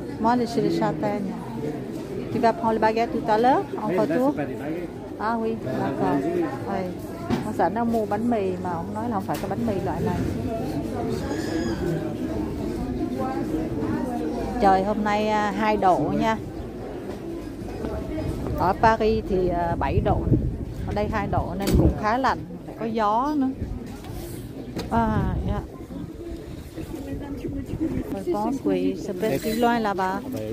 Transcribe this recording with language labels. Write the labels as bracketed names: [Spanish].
[French] Moi, je suis les châtaignes. Tu vas prendre les baguettes tout à l'heure, en retour? Ah oui, d'accord. Oui. [Vietnamese] Ông sẵn ông mua bánh mì mà ông nói là không phải cái bánh mì loại này. Trời hôm nay 2 độ nha. Ở Paris thì 7 độ. Ở đây 2 độ nên cũng khá lạnh, lại có gió nữa. À, dạ. [French] Je pense que ce petit loin là-bas.